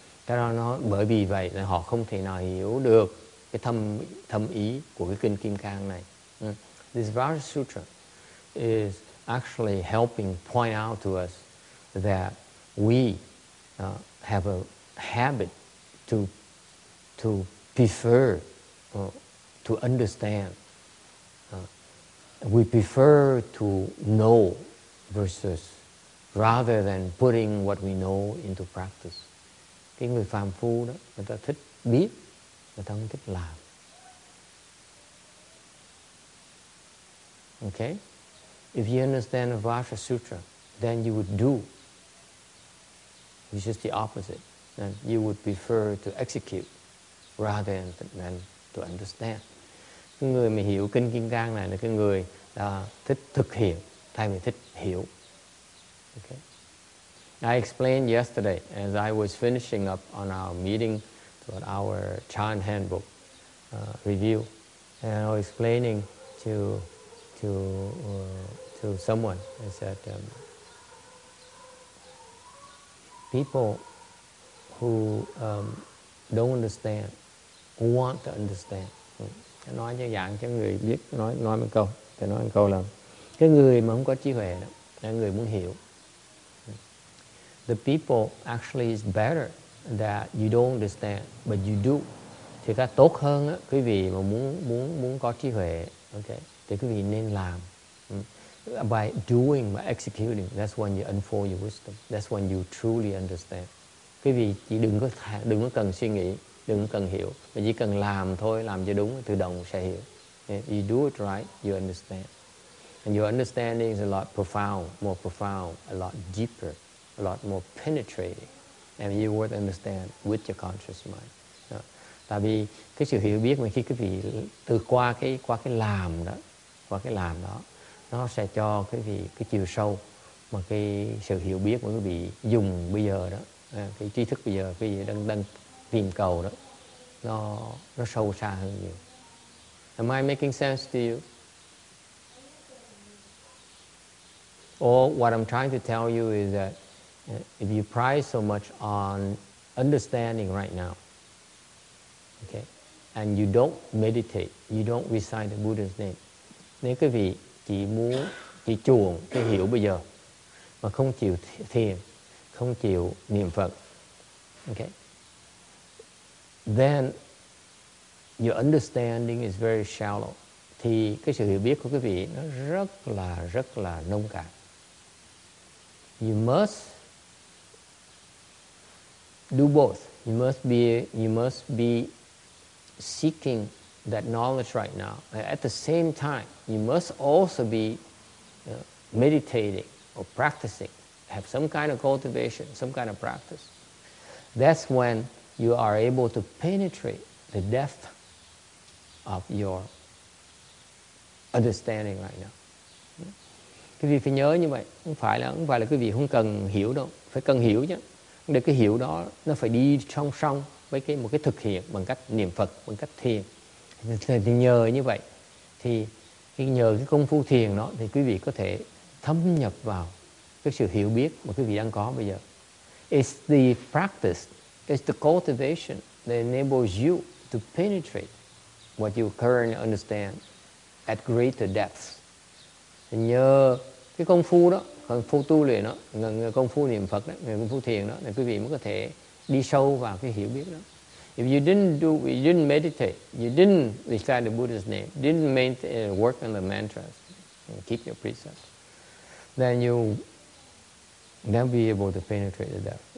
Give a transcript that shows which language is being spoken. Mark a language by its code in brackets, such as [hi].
[vi] Nó bởi vì vậy là họ không thể nào hiểu được cái thâm ý của cái kinh Kim Cang này. [en] This Vajra Sutra is actually helping point out to us that we have a habit to prefer to understand. We prefer to know versus rather than putting what we know into practice. [vi] Cái người phàm phu đó, người ta thích biết, người ta không thích làm. [en] Okay? If you understand the Vajra Sutra, then you would do. It's just the opposite. Then you would prefer to execute rather than to understand. [vi] Cái người mà hiểu kinh Kim Cang này là cái người thích thực hiện thay vì thích hiểu. [en] Okay? I explained yesterday as I was finishing up on our meeting about our Chan handbook review, and I was explaining to someone. I said, people who don't understand, who want to understand. [vi] Nói như dạng cho người biết, nói một câu, thì nói một câu là cái người mà không có trí huệ đó, là người muốn hiểu. [en] The people actually is better that you don't understand, but you do. [vi] Thì cái tốt hơn á, quý vị mà muốn có trí huệ, okay, thì quý vị nên làm. [en] By doing, by executing, that's when you unfold your wisdom. That's when you truly understand. [vi] Quý vị chỉ đừng có cần suy nghĩ, đừng có cần hiểu, mà chỉ cần làm thôi, làm cho đúng, tự động sẽ hiểu. [en] Yeah, you do it right, you understand. And your understanding is a lot more profound, a lot deeper. A lot more penetrating, and you would understand with your conscious mind. Yeah. [vi] Tại vì cái sự hiểu biết mà khi quý vị từ qua cái làm đó, nó sẽ cho quý vị cái chiều sâu mà cái sự hiểu biết mà quý vị dùng bây giờ đó, cái trí thức bây giờ quý vị đang tìm cầu đó, nó sâu xa hơn nhiều. [en] Am I making sense to you? Or what I'm trying to tell you is that if you price so much on understanding right now, okay, and you don't meditate, you don't recite the Buddha's name. [vi] Nếu quý vị chỉ muốn, chỉ chuộng cái hiểu bây giờ, mà không chịu thiền, không chịu niệm Phật, okay, [en] then your understanding is very shallow. [vi] Thì cái sự hiểu biết của quý vị nó rất là nông cạn. [en] You must do both. You must be seeking that knowledge right now. At the same time, you must also be meditating or practicing, have some kind of cultivation, some kind of practice. That's when you are able to penetrate the depth of your understanding right now. [vi] Quý vị phải nhớ như vậy, không phải là quý vị không cần hiểu đâu, phải cần hiểu chứ. Để cái hiểu đó nó phải đi song song với cái một cái thực hiện bằng cách niệm Phật, bằng cách thiền. Thì nhờ như vậy, thì nhờ cái công phu thiền đó thì quý vị có thể thâm nhập vào cái sự hiểu biết mà quý vị đang có bây giờ. [en] It's the practice, it's the cultivation that enables you to penetrate what you currently understand at greater depth. [vi] Nhờ cái công phu đó, công phu tu luyện đó, công phu niệm Phật đó, công phu thiền đó, thì quý vị mới có thể đi sâu vào cái hiểu biết đó. [en] If you didn't do, you didn't meditate, you didn't recite the Buddha's name, didn't maintain, work on the mantras, and keep your precepts, then you never be able to penetrate the depth.